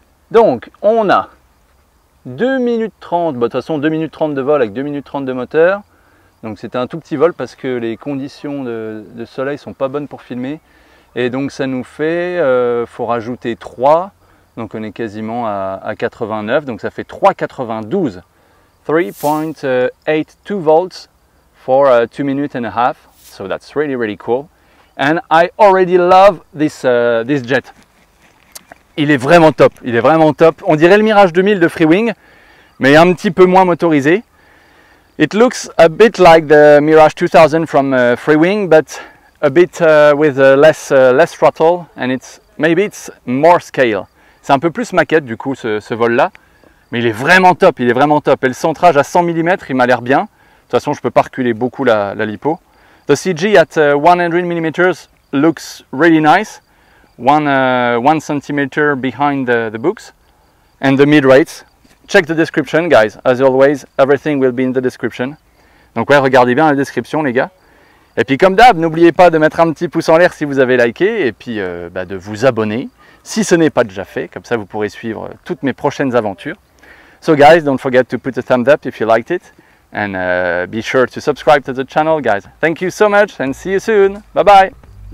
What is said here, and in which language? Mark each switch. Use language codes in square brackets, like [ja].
[fr] Donc, on a 2 minutes 30, bon, de toute façon 2 minutes 30 de vol avec 2 minutes 30 de moteur. Donc c'était un tout petit vol parce que les conditions de soleil sont pas bonnes pour filmer. Et donc ça nous fait, faut rajouter 3, donc on est quasiment à 89, donc ça fait 3,92. [en] 3.82 volts for 2 minutes and a half, so that's really really cool. And I already love this jet. [fr] Il est vraiment top, il est vraiment top. On dirait le Mirage 2000 de Freewing, mais un petit peu moins motorisé. [en] It looks a bit like the Mirage 2000 from Freewing, but a bit with less throttle, and it's more scale. [fr] C'est un peu plus maquette du coup ce vol-là, mais il est vraiment top, il est vraiment top. Et le centrage à 100 mm, il m'a l'air bien. De toute façon, je peux pas reculer beaucoup la lipo. [en] The CG at 100 mm looks really nice. One centimeter behind the books and the mid rates. Check the description, guys. As always, everything will be in the description. [fr] Donc ouais, regardez bien la description, les gars. Et puis comme d'hab, n'oubliez pas de mettre un petit pouce en l'air si vous avez liké et puis de vous abonner si ce n'est pas déjà fait. Comme ça, vous pourrez suivre toutes mes prochaines aventures. [en] So guys, don't forget to put a thumbs up if you liked it and be sure to subscribe to the channel, guys. Thank you so much and see you soon. Bye bye.